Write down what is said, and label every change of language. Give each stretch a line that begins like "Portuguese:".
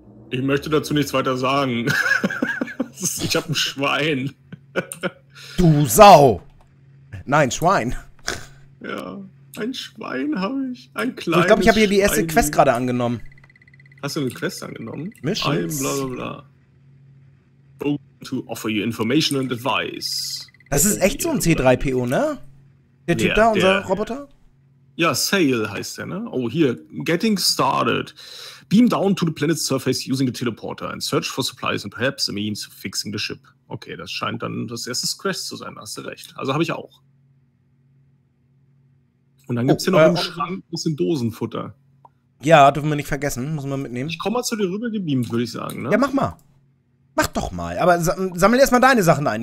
German: Ich möchte dazu nichts weiter sagen. Ich habe ein Schwein. Du Sau! Nein, Schwein. Ja, ein Schwein habe ich. Ein kleines Schwein. Ich glaube, ich habe hier die erste Quest gerade angenommen. Hast du eine Quest angenommen?
English: Missions? Bla bla bla. To offer you information and advice.
German: Das ist echt so ein C3PO, ne? Der Typ da, unser Roboter? Ja, Sail heißt der, ne? Oh, hier.
English: Getting started. Beam down to the planet's surface using a teleporter and search for supplies and perhaps a means of fixing the ship.
German: Okay, das scheint dann das erste Quest zu sein, hast du recht. Also habe ich auch. Und dann gibt's hier noch im Schrank ein bisschen Dosenfutter. Ja, dürfen wir nicht vergessen. Muss man mitnehmen. Ich komme mal zu dir rüber gebeamt, würde ich sagen. Ne? Ja, mach mal. Mach doch mal. Aber sammel erstmal deine Sachen ein.